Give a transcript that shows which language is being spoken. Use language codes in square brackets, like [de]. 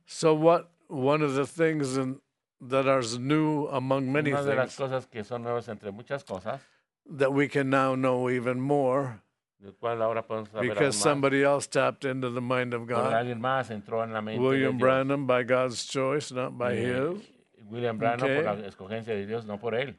[en] So what, one of the things in, that are new among many [es] una de [en] things. [es] Las cosas que son nuevas entre muchas cosas. [en] That we can now know even more because somebody else tapped into the mind of God. William Branham, by God's choice, not by his. [es] William Branham, okay. Por la escogencia de Dios, no por él.